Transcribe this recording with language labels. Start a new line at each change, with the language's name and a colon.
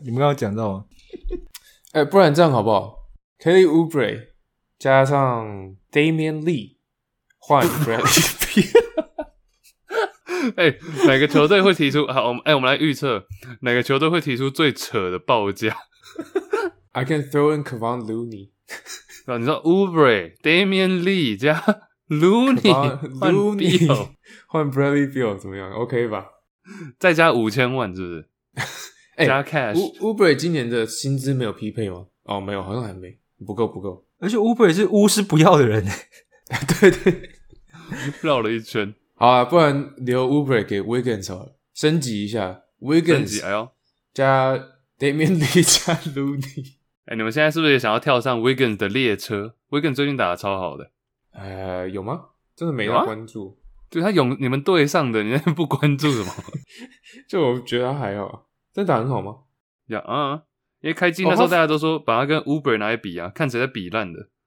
Chinese: 你们刚刚讲到吗？不然这样好不好 ？Kelly Oubre 加上 Damian Lee 换 Bradley Beal。 哪个球队会提出？好，我们来预测哪个球队会提出最扯的报价？
English: I can throw in Kevon Looney.
Chinese: 你知道 Oubre, Damian Lee, 加 Looney, Kevon, Looney, 换 Bradley Beal 怎么样 ?OK 吧。再加5000万是不是加 cash。 Oubre 今年的薪资没有匹配吗？哦，没有，好像还没。不够不够。而且 Oubre 是巫师不要的人。对对。绕了一圈。好啊，不然留 Oubre 给 Wiggins 好了。升级一下。Wiggins 升级哎呦。加Damian Lee 加 Looney。你们现在是不是也想要跳上 Wiggins 的列车？Wiggins 最近打得超好的。有吗？真的没在关注。对，他有你们队上的，你在不关注什么？就我觉得他还好。真的打很好吗？呀啊，因为开机那时候大家都说把他跟 Uber 拿来比啊，看谁在比烂的。